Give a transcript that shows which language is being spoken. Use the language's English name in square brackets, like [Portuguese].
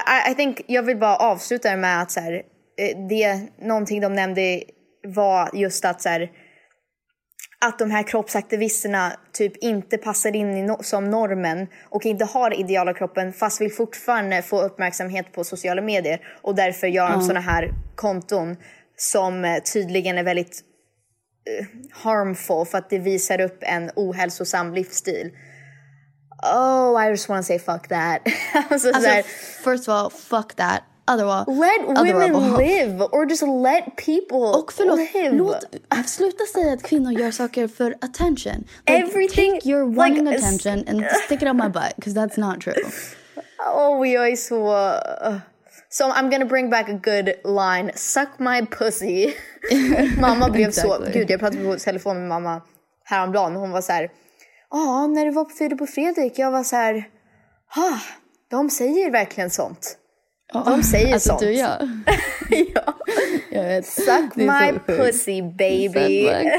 [English] I think, [Swedish] jag vill bara avsluta med att så här, det någonting de nämnde var just att så här, att de här kroppsaktivisterna typ inte passar in i som normen och inte har ideala kroppen fast vill fortfarande få uppmärksamhet på sociala medier och därför gör de såna här konton som tydligen är väldigt harmful för att det visar upp en ohälsosam livsstil. [English] Oh, I just want to say fuck that. [Swedish] alltså, så här, [English] first of all, fuck that. Let women live or just let people [Swedish] och förlåt, [English] live. [Swedish] Låt, sluta säga att kvinnor gör saker för attention. [English] Like, everything, take your woman like, attention and stick it on my butt because that's not true. Oh, we always swore. So I'm gonna bring back a good line. Suck my pussy. [Swedish] Mamma blev [English] exactly. Så... [Swedish] Gud, jag pratade på telefon med mamma häromdagen. Hon var så här... Ja, när du var på Fyder på Fredrik. Jag var så här... Ah, de säger verkligen sånt. De säger alltså, sånt. Du gör. Ja. Jag vet. [English] Suck my pussy, baby.